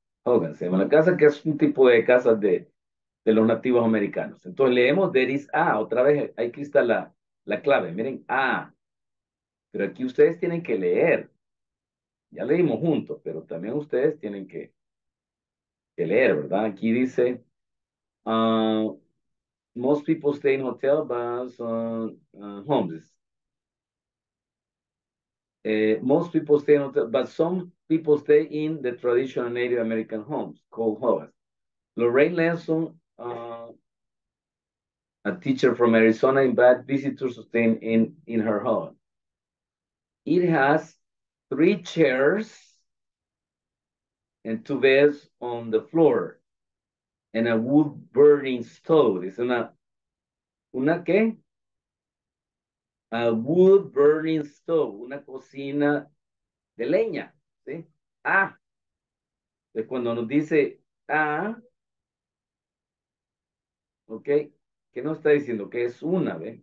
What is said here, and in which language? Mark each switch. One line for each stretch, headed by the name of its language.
Spanish: Hogan se llama la casa, que es un tipo de casa de los nativos americanos. Entonces leemos,
English: there is a,
Spanish: otra vez, ahí está la clave. Miren, a. Pero aquí ustedes tienen que leer. Ya leímos juntos, pero también ustedes tienen que leer, ¿verdad? Aquí dice,
English: most people stay in hotel, but homes. Most people stay in hotel, but some people stay in the traditional Native American homes called hogans. Lorraine Nelson A teacher from Arizona invited visitors to stay in her home. It has three chairs and two beds on the floor and a wood burning stove. Is it not?
Spanish: ¿Una qué?
English: A wood burning stove,
Spanish: una cocina de leña, ¿sí? Ah, es cuando nos dice, ah, ok, ¿qué nos está diciendo? Que es una, ¿ve?